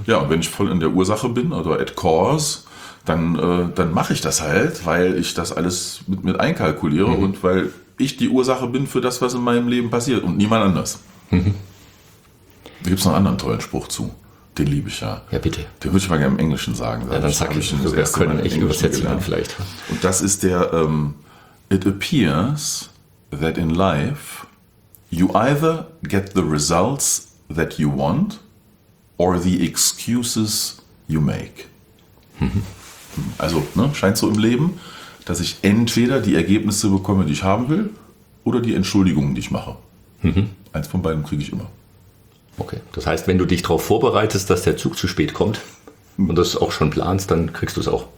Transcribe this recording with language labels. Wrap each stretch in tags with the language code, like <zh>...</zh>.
<de>Ja, und wenn ich voll in der Ursache bin oder</de> <en>at cause,</en> <de>dann mache ich das halt, weil ich das alles mit einkalkuliere und weil ich die Ursache bin für das, was in meinem Leben passiert und niemand anders. Mhm. Da gibt es noch einen anderen tollen Spruch zu. Den liebe ich ja. Ja, bitte. Den würde ich mal gerne im Englischen sagen. Ja, dann sag ich ihn. Das können ich übersetzen dann vielleicht. Und das ist der,</de> <en>it appears that in life you either get the results that you want or the excuses you make.</en> <de>Also, ne, scheint so im Leben, dass ich entweder die Ergebnisse bekomme, die ich haben will, oder die Entschuldigungen, die ich mache. Eins von beiden kriege ich immer. Okay, das heißt, wenn du dich darauf vorbereitest, dass der Zug zu spät kommt und das auch schon planst, dann kriegst du es auch.</de>